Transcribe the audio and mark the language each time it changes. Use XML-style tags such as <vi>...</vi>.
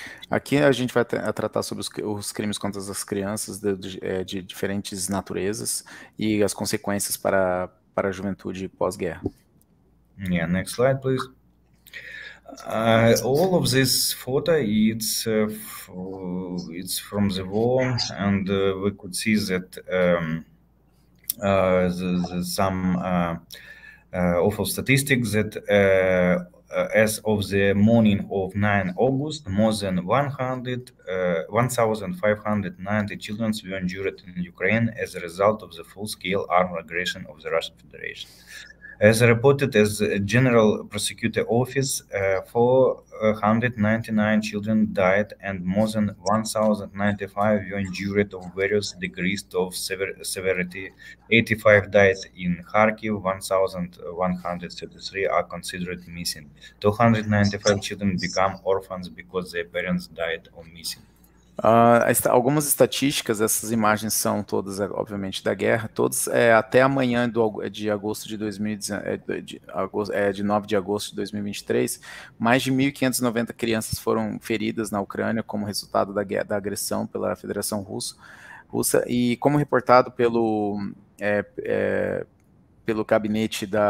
<pt>Aqui a gente vai tratar sobre os crimes contra as crianças de diferentes naturezas e as consequências para a juventude pós-guerra.</pt> <en>Yeah, next slide, please. All of this photo, it's from the war, and we could see that some awful statistics that as of the morning of 9 August, more than 1,590 children were injured in Ukraine as a result of the full-scale armed aggression of the Russian Federation. As reported as General Prosecutor Office, 499 children died and more than 1,095 were injured of various degrees of severity. 85 died in Kharkiv, 1,133 are considered missing. 295 children become orphans because their parents died or missing.</en> <pt>Algumas estatísticas, essas imagens são todas, obviamente, da guerra, todas até amanhã de agosto de 9 de agosto de 2023, mais de 1.590 crianças foram feridas na Ucrânia como resultado da guerra, da agressão pela Federação Russa, e como reportado pelo gabinete</pt>